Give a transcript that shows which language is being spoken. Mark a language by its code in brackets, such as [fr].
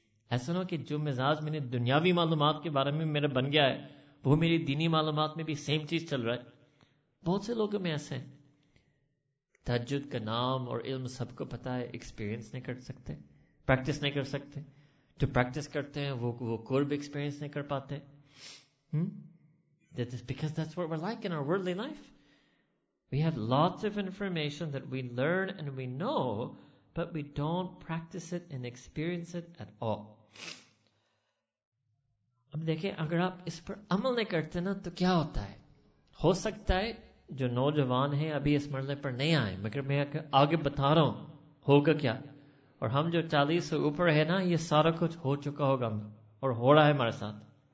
[ur] ایسا نہ ہو کہ جو مزاج میں نے دنیاوی معلومات کے بارے میں میرا بن گیا ہے وہ میری دینی معلومات میں بھی سیم چیز چل رہا ہے. بہت سے لوگوں میں ایسے ہیں, تہجد کا نام اور علم سب کو پتا ہے, ایکسپیرینس نہیں کر سکتے, پریکٹس نہیں کر سکتے. جو پریکٹس کرتے ہیں وہ قرب ایکسپیرینس نہیں کر پاتے. [en] That is because that's what we're like in our worldly life. We have lots of information that we learn and we know, but we don't practice it and experience it at all. [ur] اب دیکھیں اگر آپ اس پر عمل نہیں کرتے نا تو کیا ہوتا ہے. ہو سکتا ہے جو نوجوان ہیں ابھی اس مرحلے پر نہیں آئے, مگر میں آگے بتا رہا ہوں ہوگا کیا, اور ہم جو 40 سے اوپر ہے نا یہ سارا کچھ ہو چکا ہوگا اور ہو رہا ہے ہمارے ساتھ.